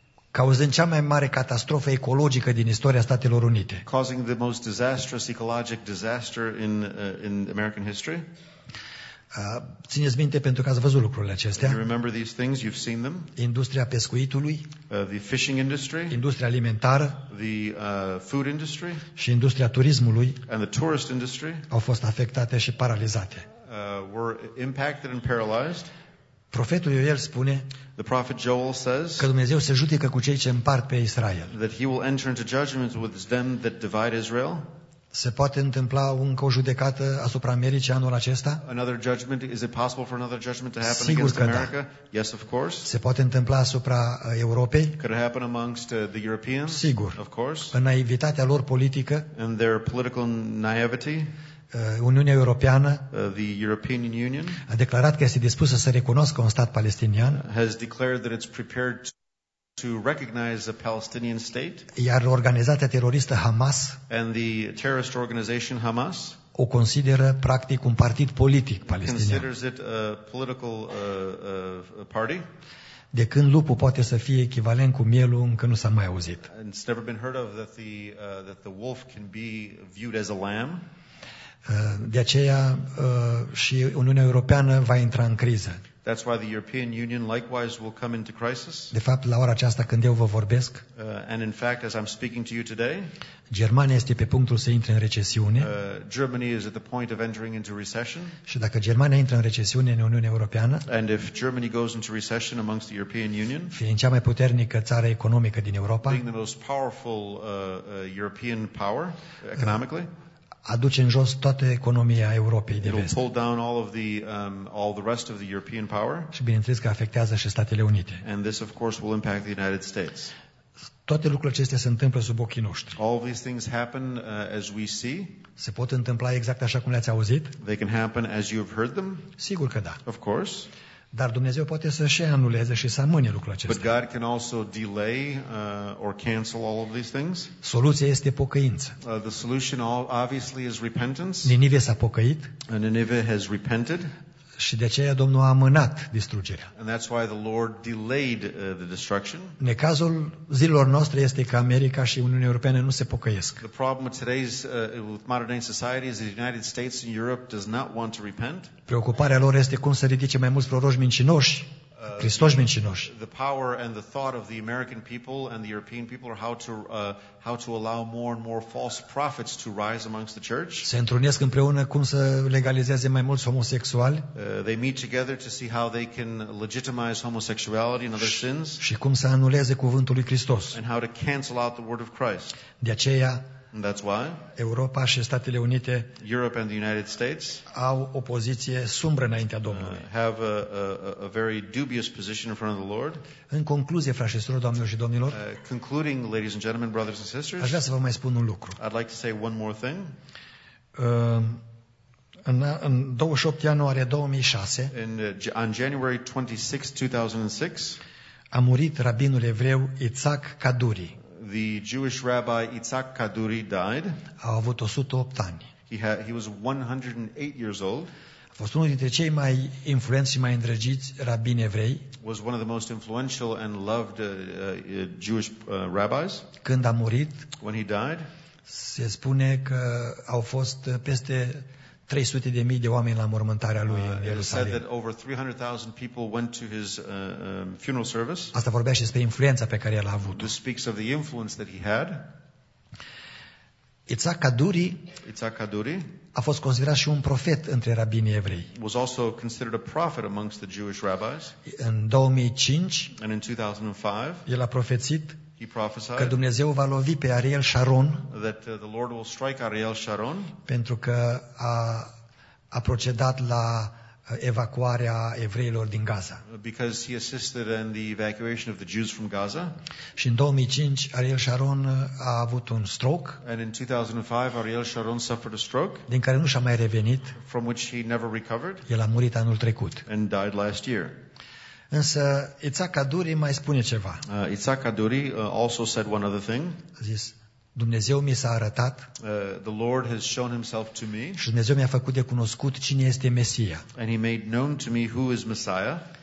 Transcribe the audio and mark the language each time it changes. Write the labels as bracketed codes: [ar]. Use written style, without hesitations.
[ro] cauzând cea mai mare catastrofă ecologică din istoria Statelor Unite. [en] Causing the most disastrous ecologic disaster in American history. [ro] Țineți minte pentru că ați văzut lucrurile acestea. [en] You remember these things, you've seen them. [ro] Industria pescuitului, [en] the fishing industry, [ro] industria alimentară, [en] the food industry, [ro] și industria turismului, [en] and the tourist industry, [ro] au fost afectate și paralizate. [en] Were impacted and paralyzed. [ro] Profetul Ioel spune, [en] the prophet Joel says, [ro] că Dumnezeu se judecă cu cei ce împart pe Israel. [en] That he will enter into judgment with them that divide Israel. [ro] Se poate întâmpla încă o judecată asupra Americii anul acesta? [en] Another judgment, is it possible for another judgment to happen? [ro] Sigur [en] against America? [ro] Da. [en] Yes, of course. [ro] Se poate întâmpla asupra Europei? [en] Could it happen amongst the Europeans? [ro] Sigur. [en] Of course. [ro] În naivitatea lor politică, [en] in their political naivety, [ro] Uniunea Europeană, [en] the European Union, [ro] a declarat că este dispusă să recunoască un stat palestinian, [en] has declared that it's prepared to recognize a Palestinian state, [ro] iar organizația teroristă Hamas, [en] and the terrorist organization Hamas, [ro] o consideră practic un partid politic palestinian. [en] Considers it a political party. [ro] De când lupul poate să fie echivalent cu mielul, încă nu s-a mai auzit. [en] It's never been heard of that the wolf can be viewed as a lamb. [ro] De aceea și Uniunea Europeană va intra în criză. [en] That's why the European Union likewise will come into crisis. [ro] De fapt, la ora aceasta când eu vă vorbesc, [en] and in fact as I'm speaking to you today, [ro] Germania este pe punctul să intre în recesiune. [en] Germany is at the point of entering into recession. [ro] Și dacă Germania intră în recesiune în Uniunea Europeană, [en] and if Germany goes into recession amongst the European Union, [ro] fiind cea mai puternică țară economică din Europa, [en] being the most powerful European power economically, [ro] aduce în jos toată economia Europei de vest. [en] Pull down all of the all the rest of the European power. [ro] Și bineînțeles că afectează și Statele Unite. [en] And this of course will impact the United States. [ro] Toate lucrurile acestea se întâmplă sub ochii noștri. [en] All these things happen as we see. [ro] Se pot întâmpla exact așa cum le-ați auzit? [en] They can happen as you've heard them. [ro] Sigur că da. [en] Of course. [ro] Dar Dumnezeu poate să și anuleze și să amâne lucrul acesta. [en] But God can also delay or cancel all of these things. [ro] Soluția este pocăință. [en] The solution obviously is repentance. [ro] Ninive s-a pocăit. [en] Nineveh has repented. [ro] Și de aceea Domnul a amânat distrugerea. [en] And that's why the Lord delayed the destruction. [ro] Necazul zilelor noastre este că America și Uniunea Europeană nu se pocăiesc. [en] The problem with today's with modern day society is the United States and Europe does not want to repent. [ro] Preocuparea lor este cum să ridice mai mulți proroși mincinoși, Hristoși mincinoși. [en] The power and the thought of the American people and the European people are how to allow more and more false prophets to rise amongst the church. [ro] Se întrunesc împreună cum să legalizeze mai mulți homosexuali. [en] They meet together to see how they can legitimize homosexuality and other sins. [ro] Și cum să anuleze cuvântul lui Hristos. [en] And how to cancel out the word of Christ. [ro] De aceea, [en] that's why [ro] Europa și Statele Unite, [en] Europe and the United States, [ro] au o poziție sumbră înaintea Domnului. [en] Have a very dubious position in front of the Lord. [ro] În concluzie, frașesorilor, doamnelor și domnilor, [en] concluding, ladies and gentlemen, brothers and sisters, [ro] aș vrea să vă mai spun un lucru. [en] I'd like to say one more thing. [ro] În 28 ianuarie 2006, [en] on January 26, 2006, [ro] a murit rabinul evreu Itzhak Kaduri. [en] The Jewish rabbi Itzhak Kaduri died. [ro] A avut 108 ani. [en] He was 108 years old. [ro] A fost unul dintre cei mai influenți și mai îndrăgiți rabini evrei. [en] Was one of the most influential and loved Jewish rabbis. [ro] Când a murit, [en] when he died, [ro] se spune că au fost peste 300.000 de oameni la mormântarea lui în Ierusalim. [en] It said that over 300,000 people went to his funeral service. [ro] Asta vorbește despre influența pe care el a avut. [en] This speaks of the influence that he had. [ro] Itzhak Kaduri a fost considerat și un profet între rabinii evrei. [en] Was also considered a prophet amongst the Jewish rabbis. [ro] În 2005, [en] and in 2005, [ro] el a profețit [en] he prophesied [ro] că Dumnezeu va lovi pe Ariel Sharon, [en] that the Lord will strike Ariel Sharon, [ro] pentru că a procedat la evacuarea evreilor din Gaza. [en] Because he assisted in the evacuation of the Jews from Gaza. [ro] Și în 2005 Ariel Sharon a avut un stroke. [en] And in 2005 Ariel Sharon suffered a stroke. [ro] Din care nu și-a mai revenit. [en] From which he never recovered. [ro] El a murit anul trecut. [en] And died last year. [ro] Însă Itzhak Kaduri mai spune ceva. [en] Itzhak Kaduri also said one other thing. [ro] A zis, Dumnezeu mi s-a arătat. [en] The Lord has shown himself to me. [ro] Și Dumnezeu mi-a făcut de cunoscut cine este Mesia. [en] And he made known to me who is Messiah.